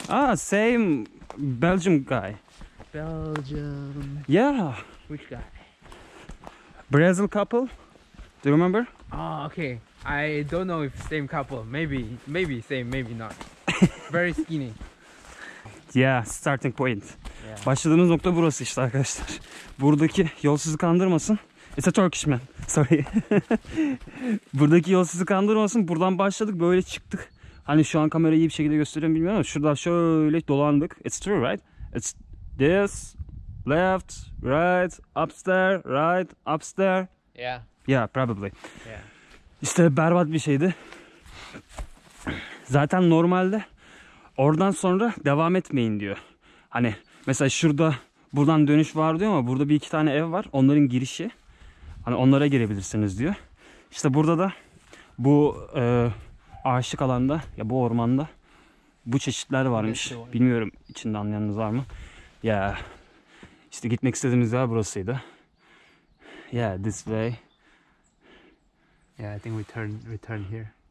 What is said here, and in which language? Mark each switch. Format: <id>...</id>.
<en>Ah, same Belgium guy. Belgium. Yeah. Which guy? Brazil couple. Do you remember? Ah, okay. I don't know if same couple. Maybe, maybe same, maybe not. Very skinny. Yeah, starting point. Yeah.</en> <tr>Başladığımız nokta burası işte arkadaşlar. Buradaki yolsuzu kandırmasın.</tr> <en>It's a Turkish man. Sorry.</en> <tr>Buradaki yolsuzu kandırmasın. Buradan başladık, böyle çıktık. Hani şu an kamerayı iyi bir şekilde gösteriyorum bilmiyorum ama şurada şöyle dolandık.</tr> <en>It's true, right? It's this, left, right, upstairs, right, upstairs. Yeah. Yeah, probably. Yeah.</en> <tr>İşte berbat bir şeydi. Zaten normalde oradan sonra devam etmeyin diyor. Hani mesela şurada buradan dönüş var diyor ama burada bir iki tane ev var. Onların girişi. Hani onlara girebilirsiniz diyor. İşte burada da bu ağaçlık alanda ya bu ormanda bu çeşitler varmış. Bilmiyorum içinde anlayanınız var mı? Ya yeah. İşte gitmek istediğimiz yer burasıydı.</tr> <en>Yeah, this way. Yeah, I think we turn here.</en>